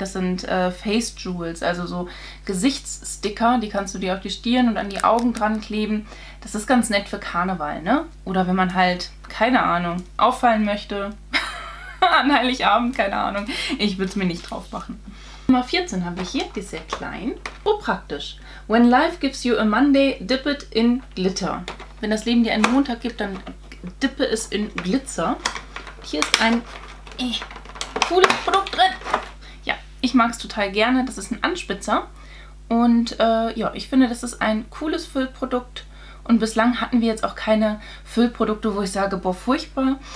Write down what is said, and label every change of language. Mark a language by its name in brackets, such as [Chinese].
[German] Das sind Face Jewels, also so Gesichtssticker, die kannst du dir auf die Stirn und an die Augen dran kleben. Das ist ganz nett für Karneval, ne? Oder wenn man halt, keine Ahnung, auffallen möchte an Heiligabend, keine Ahnung. Ich würde es mir nicht drauf machen. Nummer 14 habe ich hier, die ist sehr klein. Oh, praktisch. [English] When life gives you a Monday, dip it in glitter. [German] Wenn das Leben dir einen Montag gibt, dann dippe es in Glitzer. Hier ist ein cooles Produkt drin. Ja, ich mag es total gerne. Das ist ein Anspitzer. Und ja, ich finde, das ist ein cooles Füllprodukt. Und bislang hatten wir jetzt auch keine Füllprodukte, wo ich sage, boah, furchtbar.